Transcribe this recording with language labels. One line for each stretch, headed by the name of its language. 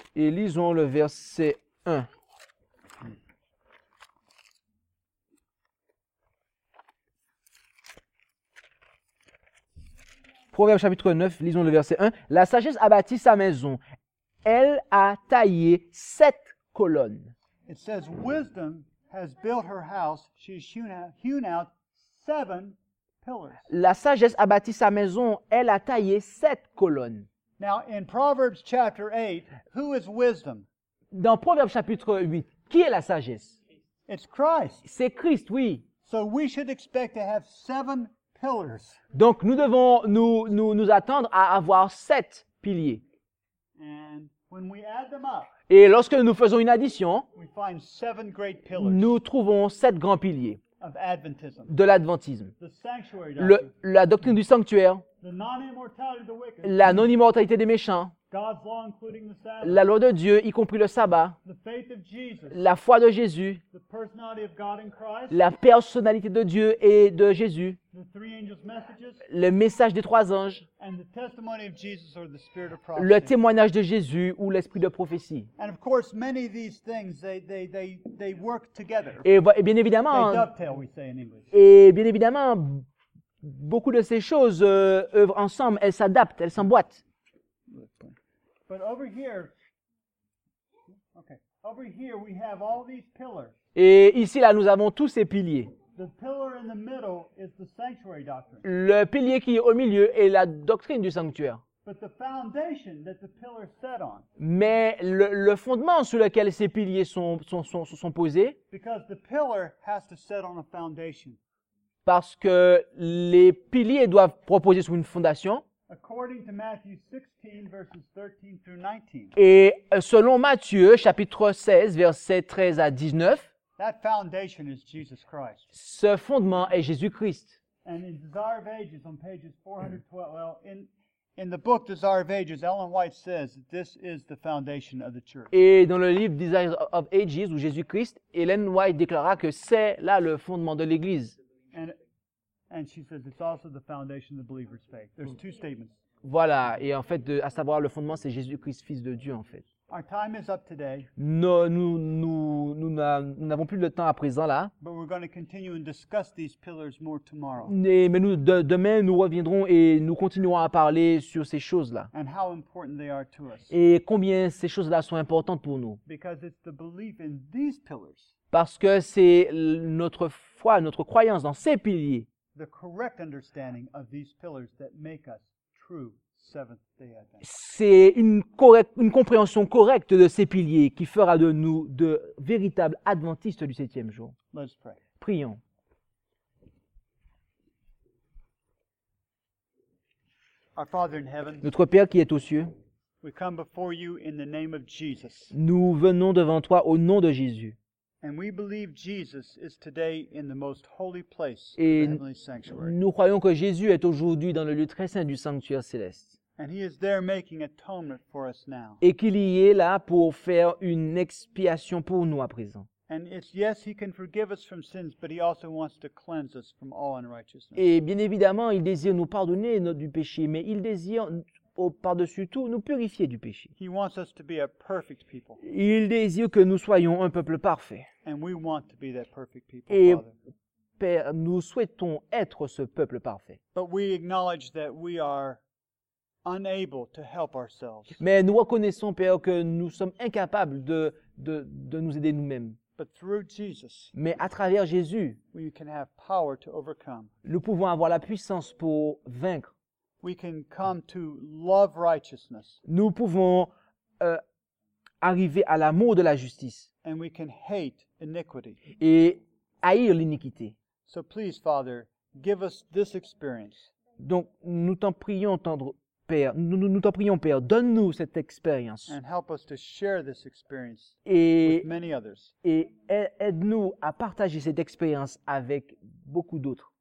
French: Et lisons le verset 1. Proverbes chapitre 9, lisons le verset 1. La sagesse a bâti sa maison. Elle a taillé 7 colonnes.
English: It says, wisdom has built her house. She has hewn out 7 pillars.
French: La sagesse a bâti sa maison. Elle a taillé 7 colonnes.
English: Now, in Proverbs chapter 8, who is wisdom?
French: Dans Proverbes chapitre 8, qui est la sagesse?
English: It's Christ.
French: C'est Christ, oui.
English: So we should expect to have 7 pillars.
French: Donc nous devons nous attendre à avoir 7 piliers.
English: And when we add them up,
French: et lorsque nous faisons une addition,
English: we find 7 great pillars.
French: Nous trouvons 7 grands piliers.
English: Of Adventism.
French: De l'adventisme.
English: The sanctuary doctrine.
French: La doctrine du sanctuaire.
English: The non-immortality of the wicked.
French: La non-immortalité des méchants.
English: God's law, including the Sabbath.
French: La loi de Dieu, y compris le sabbat.
English: The faith of Jesus.
French: La foi de Jésus.
English: The personality of God in Christ.
French: La personnalité de Dieu et de Jésus.
English: The three angels' messages.
French: Le message des trois anges.
English: And the testimony of Jesus or the spirit of
French: prophecy. Le témoignage de Jésus ou l'esprit de prophétie.
English: And of course, many of these things they work together.
French: Et bien évidemment.
English: They dovetail, we say in English.
French: Et bien évidemment, beaucoup de ces choses œuvrent ensemble. Elles s'adaptent. Elles s'emboîtent.
English: But over here, okay. Over here we have all these pillars.
French: Et ici là, nous avons tous ces piliers.
English: The pillar in the middle is the sanctuary doctrine.
French: Le pilier qui est au milieu est la doctrine du sanctuaire.
English: But the foundation that the pillar set on.
French: Mais le fondement sur lequel ces piliers sont posés.
English: Because the pillar has to set on a foundation.
French: Parce que les piliers doivent reposer sur une fondation.
English: According to Matthew 16, verses 13 through 19.
French: Et selon Matthieu, chapitre 16, versets 13 à 19,
English: that foundation is Jesus Christ.
French: Ce fondement est Jésus-Christ.
English: And in Desire of Ages, on pages 412, well, in the book Desire of Ages, Ellen White says that this is the foundation of the church.
French: Et dans le livre Desire of Ages, ou Jésus-Christ, Ellen White déclara que c'est là le fondement de l'Église.
English: And she says it's also the foundation of the believer's faith. There's two statements.
French: Voilà, et en fait, à savoir, le fondement, c'est Jésus-Christ, Fils de Dieu, en fait.
English: Our time is up today.
French: Nous n'avons plus le temps à présent, là.
English: But we're going to continue and discuss these pillars more tomorrow.
French: Demain, nous reviendrons et nous continuerons à parler sur ces choses-là.
English: And how important they are to us.
French: Et combien ces choses-là sont importantes pour nous.
English: Because it's the belief in these pillars.
French: Parce que c'est notre foi, notre croyance dans ces piliers.
English: The correct understanding of these pillars that make us true Seventh-day Adventists.
French: C'est une compréhension correcte de ces piliers qui fera de nous de véritables adventistes du septième jour.
English: Let's pray.
French: Prions.
English: Our Father in heaven,
French: notre Père qui es aux cieux,
English: we come before you in the name of Jesus.
French: Nous venons devant toi au nom de Jésus.
English: And we believe Jesus is today in the most holy place, the heavenly sanctuary.
French: Nous croyons que Jésus est aujourd'hui dans le lieu très saint du sanctuaire céleste.
English: And he is there making atonement for us now.
French: Et qu'il y est là pour faire une expiation pour nous à présent.
English: And it's yes, he can forgive us from sins, but he also wants to cleanse us from all unrighteousness.
French: Et bien évidemment, il désire nous pardonner du péché, mais il désire par-dessus tout, nous purifier du péché.
English: He wants us to be a perfect people.
French: Il désire que nous soyons un peuple parfait.
English: And we want to be that perfect people,
French: et
English: Father.
French: Père, nous souhaitons être ce peuple parfait.
English: But we acknowledge that we are unable to help ourselves.
French: Mais nous reconnaissons, Père, que nous sommes incapables de nous aider nous-mêmes.
English: But through Jesus,
French: mais à travers Jésus,
English: we can have power to overcome.
French: Nous pouvons avoir la puissance pour vaincre.
English: We can come to love righteousness.
French: Nous pouvons arriver à l'amour de la justice.
English: And we can hate iniquity.
French: Et haïr l'iniquité.
English: So please, Father, give us this experience.
French: Donc nous t'en prions, tendre Père. Nous t'en prions, Père. Donne-nous cette expérience.
English: And help us to share this experience
French: et,
English: with many others.
French: Et aide-nous à partager cette expérience avec beaucoup d'autres.